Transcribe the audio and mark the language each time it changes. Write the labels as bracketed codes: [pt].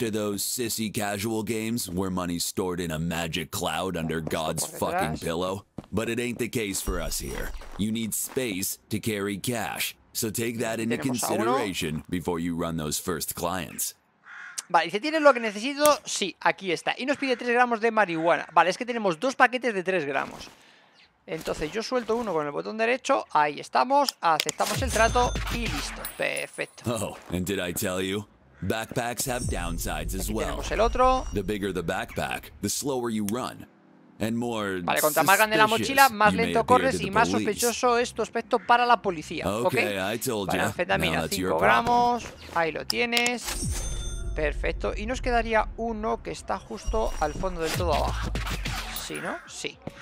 [en] Used to those sissy casual games where money's stored in a magic cloud under God's fucking pillow, but it ain't the case for us here. You need space to carry cash. So take that into consideration before you run those first clients. [es] Vale, dice, ¿tienes lo que necesito? Sí, aquí está. Y nos pide 3 gramos de marihuana. Vale, es que tenemos 2 paquetes de 3 gramos. Entonces yo suelto uno con el botón derecho. Ahí estamos, aceptamos el trato y listo, perfecto. [en] Oh, and did I tell you? Backpacks have downsides as well. [es] Tenemos el otro. [en] The bigger the backpack, the slower you run. And more, [es] vale, contra más grande la mochila, más lento corres y más sospechoso es tu aspecto para la policía. Ok, vale, anfetamina, 5 gramos. Ahí lo tienes. Perfecto, y nos quedaría uno que está justo al fondo del todo abajo. ¿Sí, no? Sí.